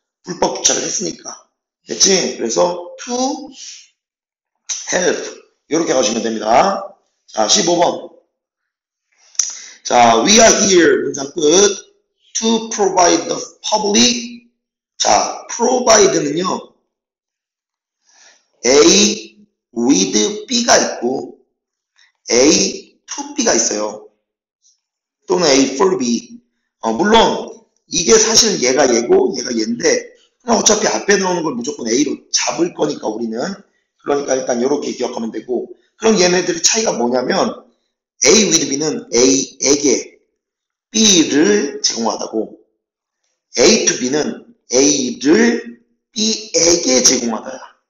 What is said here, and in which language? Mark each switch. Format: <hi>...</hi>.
<ko>불법 주차를 했으니까. 됐지? 그래서 to help. 이렇게 가시면 됩니다. 자, 15번. 자,</ko> <en>we are here.</en> <ko>문장 끝.</ko> <en>To provide the public.</en> <ko>자, provide는요. A with B가 있고, A to B가 있어요. 또는 A for B. 물론, 이게 사실 얘가 얘고, 얘가 얘인데, 그냥 어차피 앞에 나오는 걸 무조건 A로 잡을 거니까, 우리는. 그러니까 일단 이렇게 기억하면 되고, 그럼 얘네들의 차이가 뭐냐면 A with B는 A에게 B를 제공하다고 A to B는 A를 B에게 제공하다야.</ko>